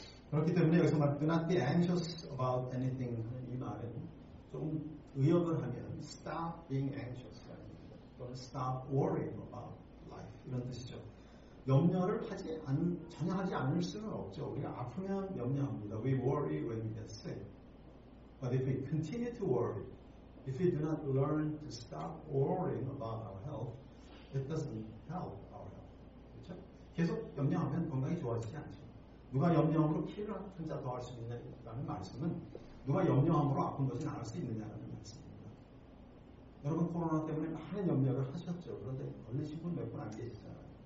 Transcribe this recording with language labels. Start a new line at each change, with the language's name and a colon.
Korean: 그렇기 때문에 여기서 말
English: Do not be anxious about anything
Korean: 하는 이 말은 좀 의역을 하면
English: Stop being anxious
Korean: 또는
English: Stop worrying about life
Korean: 이런 뜻이죠. 염려를 하지 않 전혀 하지 않을 수는 없죠. 우리가 아프면 염려합니다.
English: We worry when we get sick. But if we continue to worry, if we do not learn to stop worrying about our health, it doesn't help our health.
Korean: 그렇죠? 계속 염려하면 건강이 좋아지지 않죠. 누가 염려함으로 키를 한 자 더 할 수 있느냐라는 말씀은 누가 염려함으로 아픈 것이 나을 수 있느냐라는 말씀입니다. 여러분 코로나 때문에 많은 염려를 하셨죠. 그런데 걸리신 분 몇 분 안 계시잖아요.